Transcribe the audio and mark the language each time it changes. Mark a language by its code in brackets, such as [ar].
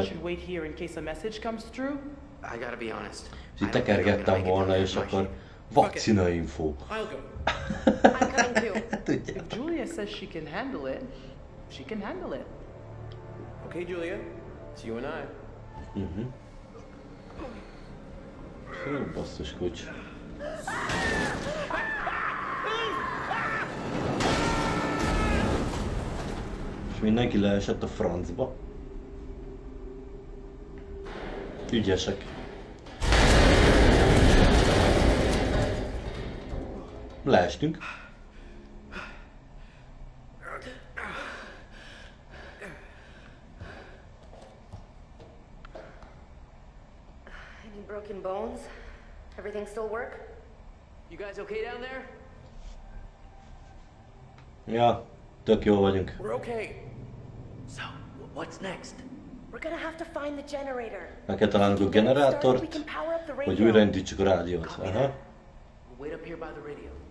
[en] I think I should wait here in case a message comes through. I gotta be honest. [hu] És így tekergettem volna, és akkor vakcina info. [en] I'll go. I'm coming too. [hu] Tudjátok. [en] Julia says she can handle it. She can handle it. Okay, Julia. It's you and I. Mhm. [hu] Hú, basszus kocs. És mindenki leesett a francba. Ügyesek. Leestünk. [en] Any broken bones? Everything still work? You guys okay down there? [hu] Yeah, tök jó vagyunk. [en] We're okay. So, what's next? We're gonna have to find the generator. [hu] Meg kell találnunk a generátort, hogy újraindítsuk a rádiót. Aha. [en] We'll wait up here by the radio.